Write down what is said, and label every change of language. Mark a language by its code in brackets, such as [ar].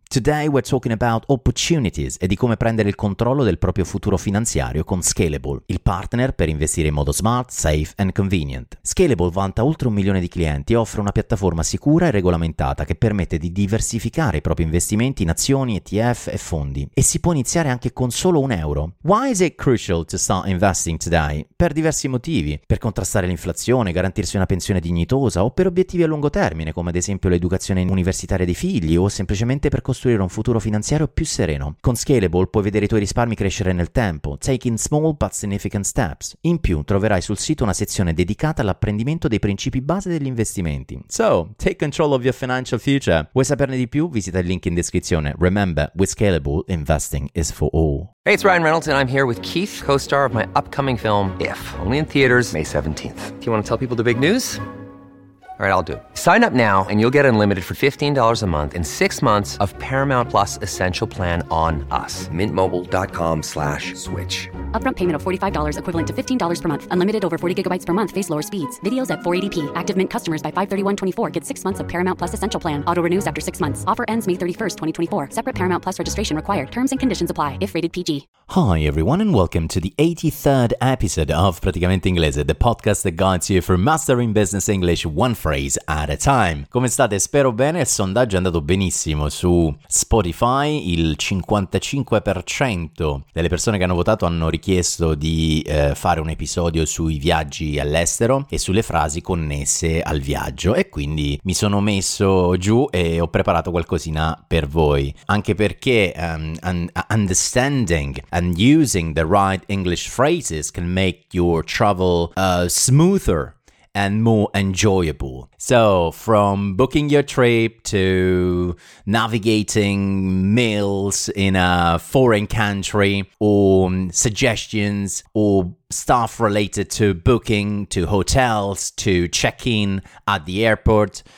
[en] Today we're talking about opportunities [it] e di come prendere il controllo del proprio futuro finanziario con Scalable, il partner per investire in modo [en] smart, safe and convenient. [it] Scalable vanta oltre 1 milione di clienti e offre una piattaforma sicura e regolamentata che permette di diversificare i propri investimenti in azioni, ETF e fondi. E si può iniziare anche con solo un euro. [en] Why is it crucial to start investing today? [it] Per diversi motivi. Per contrastare l'inflazione, garantirsi una pensione dignitosa o per obiettivi a lungo termine, come ad esempio l'educazione universitaria dei figli o semplicemente per costruire un futuro finanziario più sereno. Con Scalable puoi vedere i tuoi risparmi crescere nel tempo, [en] taking small but significant steps. [it] In più, troverai sul sito una sezione dedicata all'apprendimento dei principi base degli investimenti. [en] So, take control of your financial future. [it] Vuoi saperne di più? Visita il link in descrizione. [en] Remember, with Scalable, investing is for all. Hey, it's Ryan Reynolds and I'm here with Keith, co-star of my upcoming film, If, only in theaters May 17th. Do you want to tell people the big news? All right, I'll do. Sign up now and you'll get unlimited for $15 a month and 6 months of Paramount Plus Essential Plan on us. MintMobile.com/switch. Upfront payment of $45 equivalent to $15 per month. Unlimited over 40 gigabytes per month. Face lower speeds. Videos at 480p. Active Mint customers by 5/31/24 get 6 months of Paramount Plus Essential Plan. Auto renews after 6 months. Offer ends May 31st, 2024. Separate Paramount Plus registration required. Terms and conditions apply if rated PG. Hi everyone and welcome to the 83rd episode of Praticamente Inglese, the podcast that guides you for mastering business English one phrase at a time. [it] Come state? Spero bene, il sondaggio è andato benissimo su Spotify, il 55% delle persone che hanno votato hanno richiesto di fare un episodio sui viaggi all'estero e sulle frasi connesse al viaggio e quindi mi sono messo giù e ho preparato qualcosina per voi, anche perché [en] understanding and using the right English phrases can make your travel smoother and more enjoyable. So, from booking your trip to navigating meals in a foreign country, or suggestions, or stuff related to booking, to hotels, to check-in at the airport.